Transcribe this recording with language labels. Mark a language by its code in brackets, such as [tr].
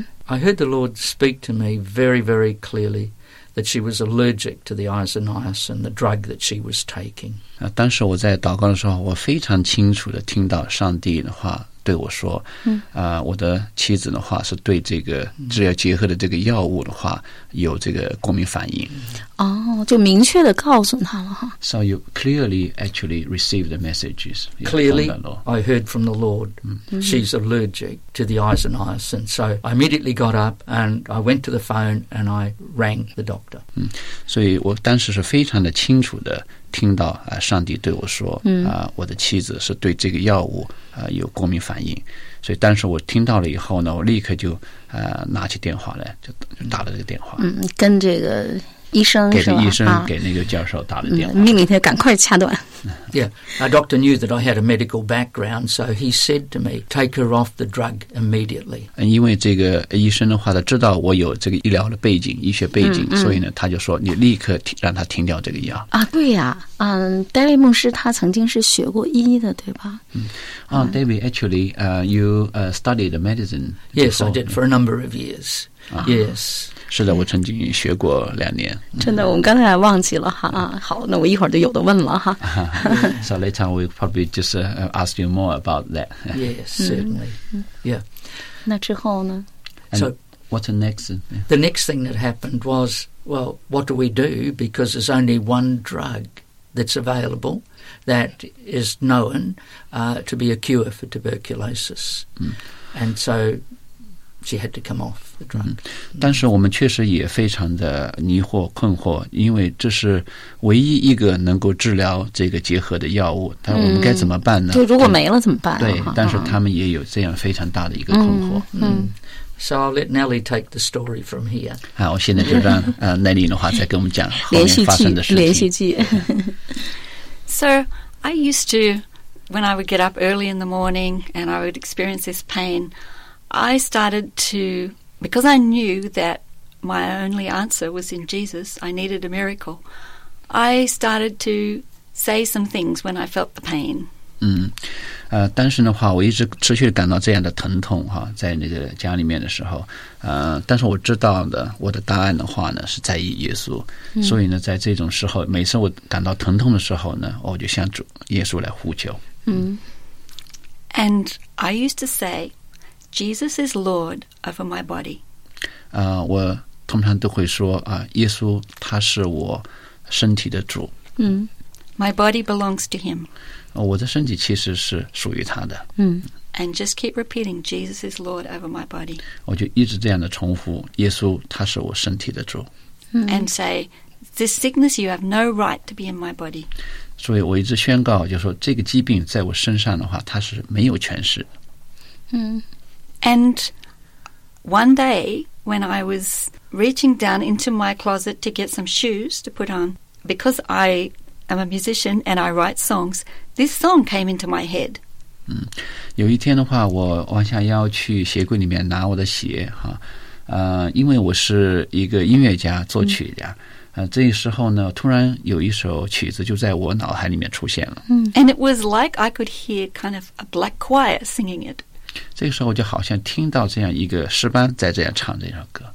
[en] I heard the Lord speak to me very, very clearly that she was allergic to the isoniazid and the drug that she was taking. [zh] 当时我在祷告的时候，我非常清楚地听到上帝的话对我说，我的妻子的话是对这个制药结合的这个药物的话有这个过敏反应。就明确地告诉他了哈。 [en] So you clearly actually received the messages. Clearly, I heard from the Lord. She's allergic to the isoniazid. So I immediately got up and I went to the phone and I rang the doctor. [zh] 所以我当时是非常的清楚的听到上帝对我说，我的妻子是对这个药物有过敏反应。所以当时我听到了以后呢，我立刻就拿起电话来就打了这个电话。跟这个医生给医生给那个教授打了电话，命令他赶快掐断。 [en] Yeah, a doctor knew that I had a medical background, so he said to me, "Take her off the drug immediately." [zh] 因为这个医生的话，他知道我有这个医疗的背景、医学背景，所以呢，他就说你立刻让他停掉这个药。对呀、，David 牧师他曾经是学过医的，对吧？ [en] David, actually, you studied medicine. Yes, I did for a number of years. Yes. [zh] 是的，我曾经学过两年。真的，我们刚才忘记了哈。好，那我一会儿就有的问了哈。 [en] So later we'll probably just ask you more about that. Yes, certainly. Yeah. [zh] 那之后呢？ [en] So what's the next? The next thing that happened was, well, what do we do? Because there's only one drug that's available. That is known to be a cure for tuberculosis. And so she had to come off the drug. [zh] 但是我们确实也非常的迷惑困惑，因为这是唯一一个能够治疗这个结核的药物，但我们该怎么办呢？就如果没了怎么办？对，但是他们也有这样非常大的一个困惑。 [en] So I'll let Nellie take the story from here. [zh] 好，我现在就让Nellie 的话再跟我们讲后面发生的事情。连续剧 [en] So I used to, when I would get up early in the morning and I would experience this pain, I started to, because I knew that my only answer was in Jesus, I needed a miracle, I started to say some things when I felt the pain. [zh] 但是的话我一直持续感到这样的疼痛哈，在那个家里面的时候，但是我知道的我的答案的话呢是在意耶稣，所以呢在这种时候每次我感到疼痛的时候呢，我就向主耶稣来呼求。 [en] And I used to say Jesus is Lord over my body. [zh] 我通常都会说耶稣他是我身体的主。 [en] My body belongs to him. [zh] 我的身体其实是属于他的。 [en] And just keep repeating, Jesus is Lord over my body. [zh] 我就一直这样的重复，耶稣他是我身体的主。 [en] And say, this sickness, you have no right to be in my body. [zh] 所以我一直宣告，就是说这个疾病在我身上的话，它是没有权势。 [en] And one day, when I was reaching down into my closet to get some shoes to put on, because I... I'm a musician and I write songs. This song came into my head. [zh] 有一天的话，我往下腰去鞋柜里面拿我的鞋哈，因为我是一个音乐家作曲家，这时候呢，突然有一首曲子就在我脑海里面出现了。 [en] And it was like I could hear kind of a black choir singing it. [zh] 这个时候我就好像听到这样一个诗班在这样唱这首歌。